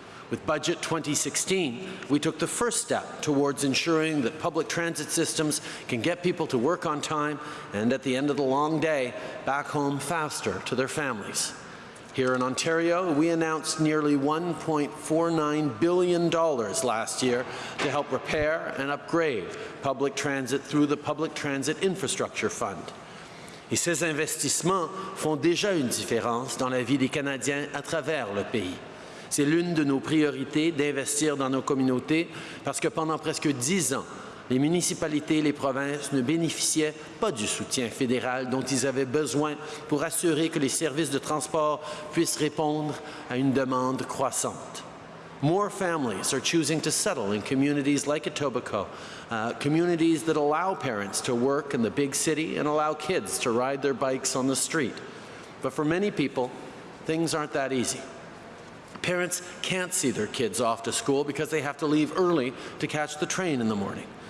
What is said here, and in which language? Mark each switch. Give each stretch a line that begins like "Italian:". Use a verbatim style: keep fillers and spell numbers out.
English: With Budget twenty sixteen, we took the first step towards ensuring that public transit systems can get people to work on time and, at the end of the long day, back home faster to their families. Here in Ontario, we announced nearly one point four nine billion dollars last year to help repair and upgrade public transit through the Public Transit Infrastructure Fund.
French: Et ces investissements font déjà une différence dans la vie des Canadiens à travers le pays. C'est l'une de nos priorités d'investir dans nos communautés parce que pendant presque dix ans, les municipalités et les provinces ne bénéficiaient pas du soutien fédéral dont ils avaient besoin pour assurer que les services de transport puissent répondre à une demande croissante.
English: More families are choosing to settle in communities like Etobicoke, uh, communities that allow parents to work in the big city and allow kids to ride their bikes on the street. But for many people, things aren't that easy. Parents can't see their kids off to school because they have to leave early to catch the train in the morning.